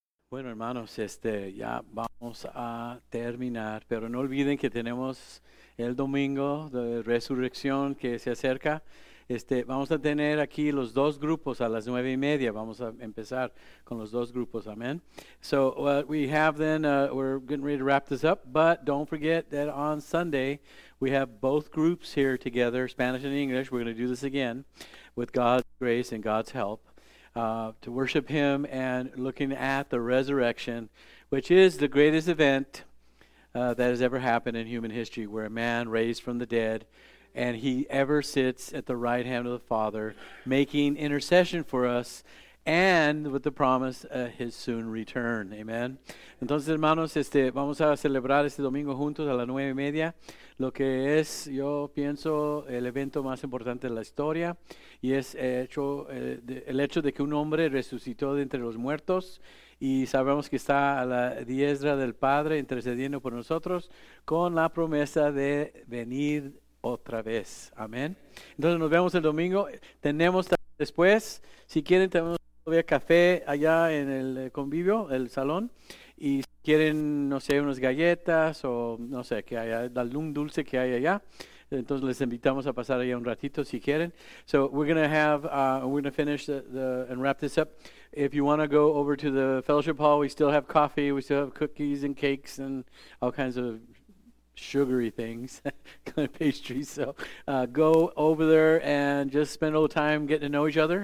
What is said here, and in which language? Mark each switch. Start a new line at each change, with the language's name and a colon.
Spanish: Bueno, hermanos, ya vamos a terminar. Pero no olviden que tenemos el domingo de resurrección que se acerca. Vamos a tener aquí los dos grupos a las 9:30. Vamos a empezar con los dos grupos. Amén.
English: So what we have then, we're getting ready to wrap this up. But don't forget that on Sunday, we have both groups here together, Spanish and English. We're going to do this again with God's grace and God's help. To worship Him and looking at the resurrection, which is the greatest event that has ever happened in human history, where a man raised from the dead and he ever sits at the right hand of the Father, making intercession for us and with the promise of His soon return.
Spanish: Amen. Entonces, hermanos, vamos a celebrar este domingo juntos a las 9:30. Lo que es, yo pienso, el evento más importante de la historia, y es el hecho de que un hombre resucitó de entre los muertos, y sabemos que está a la diestra del Padre intercediendo por nosotros con la promesa de venir otra vez. Amén. Entonces nos vemos el domingo. Tenemos después, si quieren, tenemos todavía café allá en el convivio, el salón. Y si quieren, no sé, unas galletas o no sé, que haya algún dulce que haya allá. Entonces les invitamos a pasar allá un ratito si quieren.
English: So we're going to have, we're going to finish and wrap this up. If you want to go over to the fellowship hall, we still have coffee, we still have cookies and cakes and all kinds of sugary things, kind of pastries. So go over there and just spend a little time getting to know each other.